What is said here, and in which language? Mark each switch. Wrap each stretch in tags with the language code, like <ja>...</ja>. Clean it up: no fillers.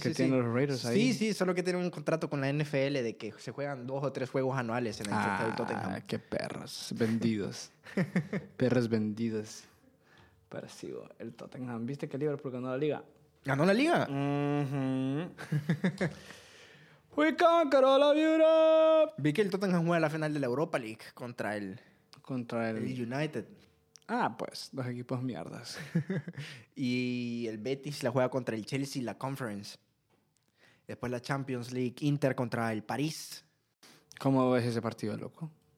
<es>sí. Porque tiene sí. Los Raiders ahí. Sí, sí, solo que tiene un contrato con la NFL de que se juegan dos o tres juegos anuales en el estadio del Tottenham. Qué perros vendidos. Perros vendidos. Pero sí, bo, el Tottenham. ¿Viste que Liverpool ganó la liga? ¿Ganó la liga? Uh-huh.</es> <en>We conquer all of Europe.</en> <es>Vi que el Tottenham juega la final de la Europa League contra el... Contra el... El United. Ah, pues, dos equipos mierdas. Y el Betis la juega contra el Chelsea, la Conference. Después la Champions League, Inter contra el París. ¿Cómo ves ese partido, loco?</es>